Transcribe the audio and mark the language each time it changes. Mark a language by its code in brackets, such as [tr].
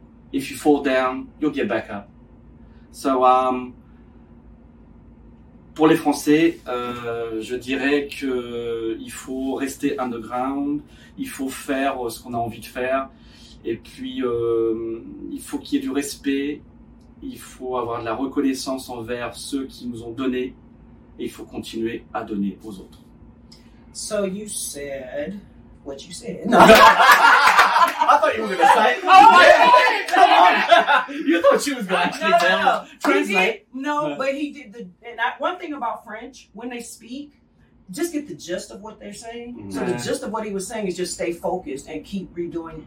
[en] If you fall down, you'll get back up. [fr] So, pour les Français, je dirais qu'il faut rester underground, il faut faire ce qu'on a envie de faire, et puis il faut qu'il y ait du respect, il faut avoir de la reconnaissance envers ceux qui nous ont donné, et il faut continuer à donner aux autres. [en] So you said what you said. No. I thought you were going to say it. Oh, yeah. Come on. You thought she was going to translate. But he did the... one thing about French, when they speak, just get the gist of what they're saying. Nah. So the gist of what he was saying is just stay focused and keep redoing.